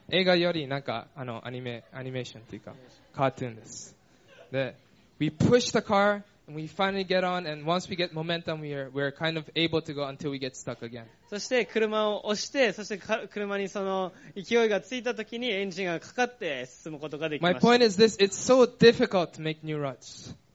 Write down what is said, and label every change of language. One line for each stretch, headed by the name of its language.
Japanese: 映画よりなんか、アニメーションっていうか、カートゥーンです。
English: で、we push the car, and we finally get on, and once we get momentum, we're kind of able to go until we get stuck again.
Japanese: そして、車を押して、そして、車にその、勢いがついた時にエンジンがかかって進むことができます。
English: My point is this, it's so difficult to make new ruts.